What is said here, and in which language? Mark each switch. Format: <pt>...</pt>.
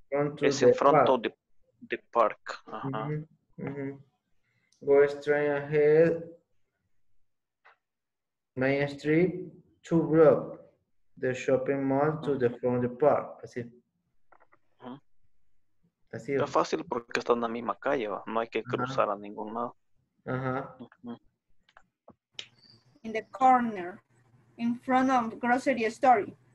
<en>Front Is in front park. Of the park. Ajá. Go straight ahead. Main Street, 2 blocks, the shopping mall to the front of the park, así.</en> <es>Así es. Es fácil porque está en la misma calle, ¿va? No hay que cruzar a ningún lado.</es> <en>In the corner, in front of grocery store.</en>